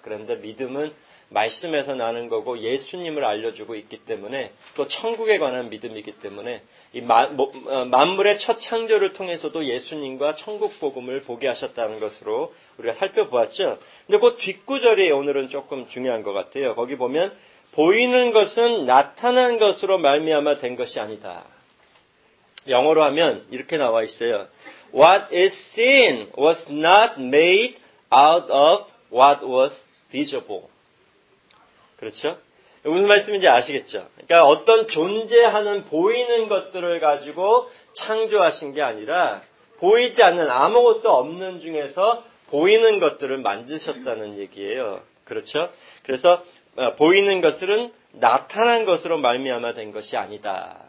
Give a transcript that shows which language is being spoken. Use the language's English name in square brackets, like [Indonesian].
[Korean] 그런데 믿음은 말씀에서 나는 거고 예수님을 알려주고 있기 때문에 또 천국에 관한 믿음이기 때문에 만물의 첫 창조를 통해서도 예수님과 천국 복음을 보게 하셨다는 것으로 우리가 살펴보았죠. 근데 그 뒷구절이 오늘은 조금 중요한 것 같아요. 거기 보면 보이는 것은 나타난 것으로 말미암아 된 것이 아니다. 영어로 하면 이렇게 나와 있어요. [English] What is seen was not made out of what was visible. [Korean] 그렇죠? 무슨 말씀인지 아시겠죠? 그러니까 어떤 존재하는 보이는 것들을 가지고 창조하신 게 아니라 보이지 않는 아무것도 없는 중에서 보이는 것들을 만드셨다는 얘기예요. 그렇죠? 그래서 보이는 것은 나타난 것으로 말미암아 된 것이 아니다.